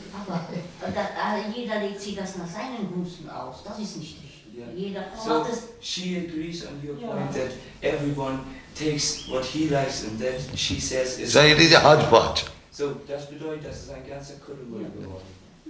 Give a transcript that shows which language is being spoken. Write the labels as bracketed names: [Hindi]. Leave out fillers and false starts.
[German] Aber jeder legt sich das nach seinen Gunsten aus. Das ist nicht richtig. [English] Yeah. [German] Jeder so hat es. [English] She agrees on your point that everyone takes what he likes and that she says is. So it is a hodgepodge. [German] So das bedeutet, dass es ein ganzer Kuddelmuddel geworden ist.